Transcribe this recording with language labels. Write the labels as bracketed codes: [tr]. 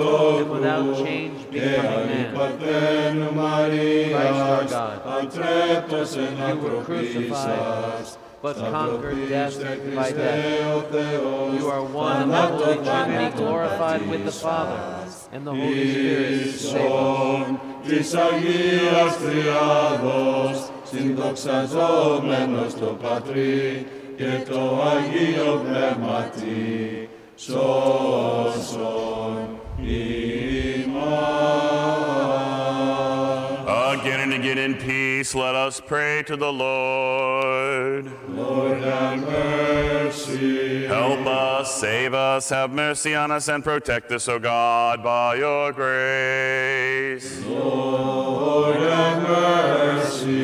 [en] change becoming man, Christ our God, you were crucified, but conquered death by death. You are one that will eternally be glorified with the Father and the Holy Spirit. [el] Τις Αγίας Τριάδος, συνδοξαζόμενος το Πατρί και το Αγίο Πνεύματι, σώσον ημάς. [en] Again and again in peace, let us pray to the Lord. Lord, have mercy. Help us, save us, have mercy on us, and protect us, O God, by your grace. Lord, have mercy.